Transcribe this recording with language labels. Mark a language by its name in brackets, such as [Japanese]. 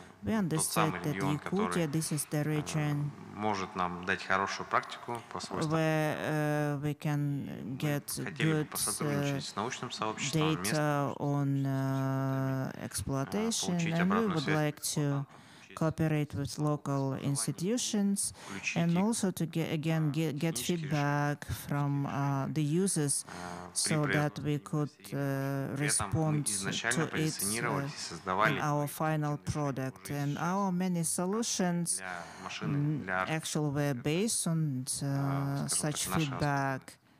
[English] We understand that Yakutia, this is the region [Russian] может нам дать хорошую практику по свойствам. Хотели бы посотрудничать с научным сообществом, получить обратную связь. [English] Cooperate with local institutions and also to get feedback from the users so that we could respond to it in our final product. And our many solutions actually were based on such feedback.